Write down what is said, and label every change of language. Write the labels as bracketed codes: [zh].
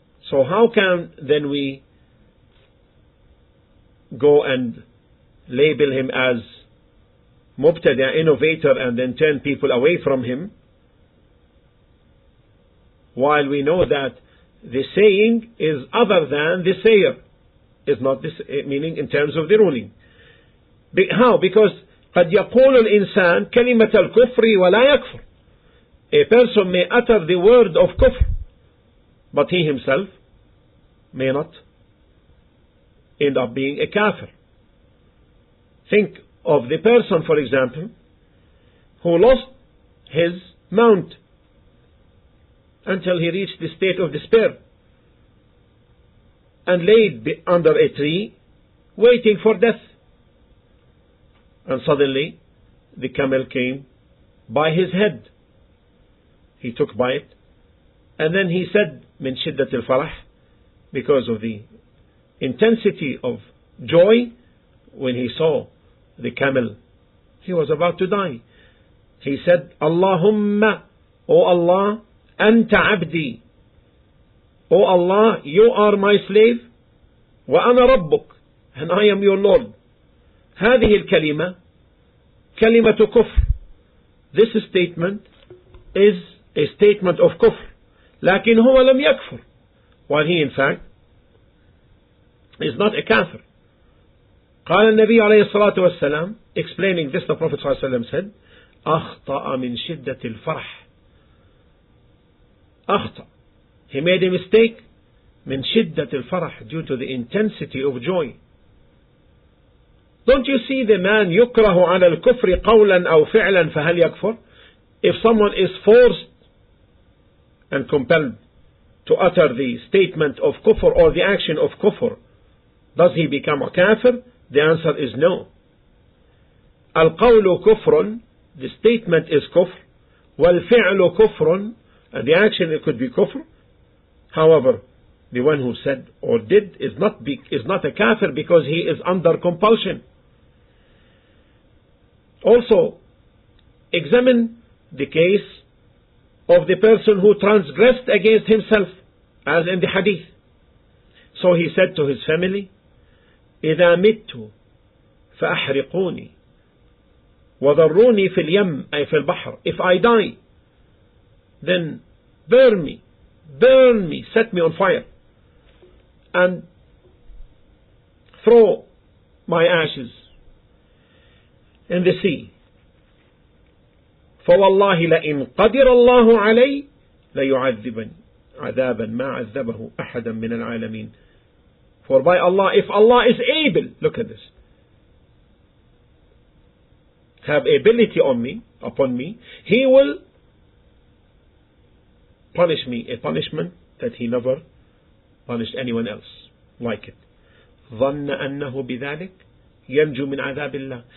[en] So how can then we go and label him as mubtada, innovator, and then turn people away from him, while we know that the saying is other than the sayer, is not this meaning in terms of the ruling? How? [ar] Because قد يقول الإنسان كلمة الكفر ولا يكفر. [en] A person may utter the word of kufr, but he himself may not end up being a kafir. Think of the person, for example, who lost his mount until he reached the state of despair and laid under a tree waiting for death. And suddenly the camel came by his head. He took by it, and then he said, من شدة الفرح, because of the intensity of joy when he saw the camel, he was about to die. He said, Allahumma, O Allah, [ar] Anta Abdi. [en] O Allah, you are my slave. [ar] Wa ana rabbuk, [en] and I am your Lord. [ar] هذه الكلمة, كلمة كفر. [en] This statement is a statement of kufr. [ar] لكن هو لم يكفر. [en] While he in fact is not a kafir. [ar] قال النبي عليه الصلاة والسلام, [en] explaining this, the Prophet [ar] صلى الله عليه وسلم said, أخطأ من شدة الفرح. أخطأ. [en] He made a mistake [ar] من شدة الفرح, [en] due to the intensity of joy. Don't you see the man [ar] يكره على الكفر قولا أو فعلا فهل يكفر؟ [en] If someone is forced and compelled to utter the statement of kufr or the action of kufr, does he become a kafir? The answer is no. [ar] القول كفر, [en] the statement is كفر, [ar] والفعل كفر, [en] and the action it could be كفر. However, the one who said or did is not a kafir because he is under compulsion. Also, examine the case of the person who transgressed against himself, as in the hadith. So he said to his family, [ar] إذا مت فأحرقوني وضروني في اليم أي في البحر. [en] If I die, then burn me, set me on fire, and throw my ashes in the sea. [ar] فوالله لئن قدر الله علي ليعذبني عذابا ما عذبه أحدا من العالمين. [en] For by Allah, if Allah is able, look at this, have ability upon me, He will punish me a punishment that He never punished anyone else like it. [ar] ظن أنه بذلك ينجو من عذاب الله.